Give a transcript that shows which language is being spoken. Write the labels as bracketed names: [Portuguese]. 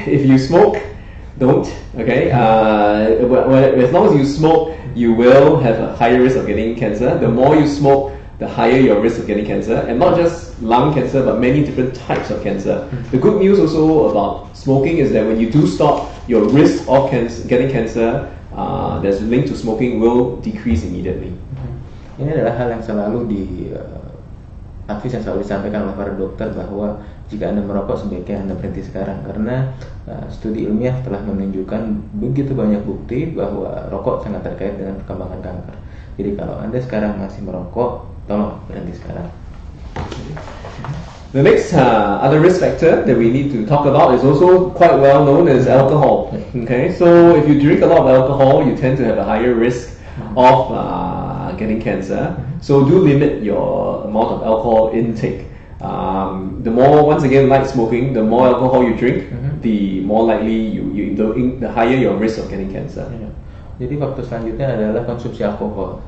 [English] If you smoke, don't. Okay. As long as you smoke, you will have a higher risk of getting cancer. The more you smoke, the higher your risk of getting cancer, and not just lung cancer, but many different types of cancer. The good news also about smoking is that when you do stop, your risk of getting cancer that's linked to smoking will decrease immediately. [Indonesian] Ini adalah hal yang selalu di advice yang selalu disampaikan oleh para dokter, bahwa jika Anda merokok sebaiknya Anda berhenti sekarang, karena studi ilmiah telah menunjukkan begitu banyak bukti bahwa rokok sangat terkait dengan perkembangan kanker. Jadi kalau Anda sekarang masih merokok, tolong berhenti sekarang. [English] The next other risk factor that we need to talk about is also quite well known as alcohol. Okay, so if you drink a lot of alcohol, you tend to have a higher risk of getting cancer. So do limit your amount of alcohol intake. The more, once again, light smoking, the more alcohol you drink, the more likely the higher your risk of getting cancer. [Indonesian] Jadi faktor selanjutnya adalah konsumsi alkohol.